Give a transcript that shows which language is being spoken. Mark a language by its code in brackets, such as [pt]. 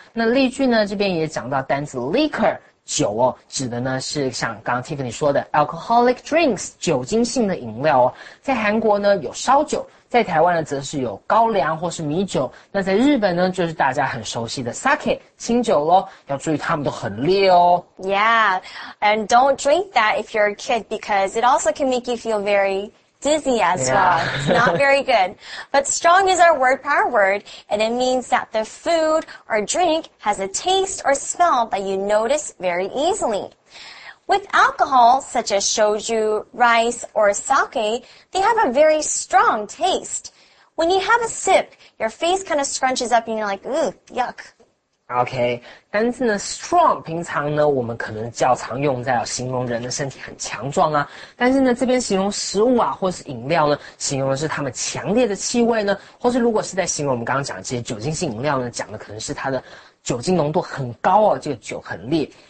[zh] 那例句呢这边也讲到单词 liquor, 酒哦指的呢是像刚刚 Tiffany 说的 alcoholic drinks, 酒精性的饮料哦。在韩国呢有烧酒在台湾呢则是有高粱或是米酒那在日本呢就是大家很熟悉的 sake, 清酒咯要注意他们都很烈哦。 [en] Yeah, and don't drink that if you're a kid because it also can make you feel very... dizzy as yeah. well. It's not very good. But strong is our word power word, and it means that the food or drink has a taste or smell that you notice very easily. With alcohol, such as shoju, rice, or sake, they have a very strong taste. When you have a sip, your face kind of scrunches up and you're like, ugh, yuck. [zh] Okay, 单字呢 strong 平常呢我们可能较常用在形容人的身体很强壮啊但是呢这边形容食物啊或是饮料呢形容的是它们强烈的气味呢或是如果是在形容我们刚刚讲的这些酒精性饮料呢讲的可能是它的酒精浓度很高哦这个酒很烈。